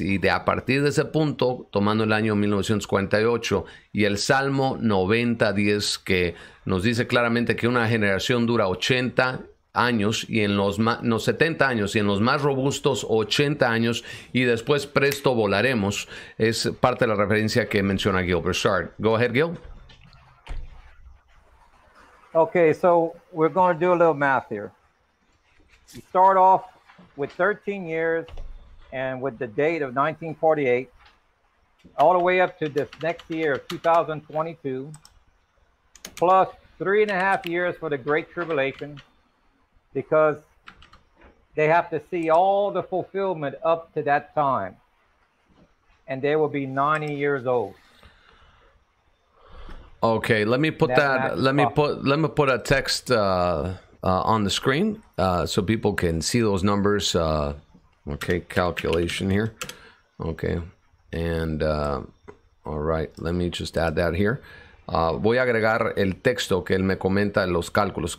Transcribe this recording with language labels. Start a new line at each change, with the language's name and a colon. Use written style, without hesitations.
Spanish: Y a partir de ese punto, tomando el año 1948 y el Salmo 90:10, que nos dice claramente que una generación dura 80 años, y en los más, no, 70 años, y en los más robustos 80 años, y después presto volaremos, es parte de la referencia que menciona Gilbert Sharp.
English: Go ahead, Gil. Okay, so we're going to do a little math here. You start off with 13 years. And with the date of 1948, all the way up to this next year of 2022, plus 3.5 years for the Great Tribulation, because they have to see all the fulfillment up to that time, and they will be 90 years old. Okay, let me put that. Let me put a text on the screen so people can see those numbers. Okay, calculation here. Okay, and all right, let me just add that here.
Spanish: Voy a agregar el texto que él me comenta en los cálculos.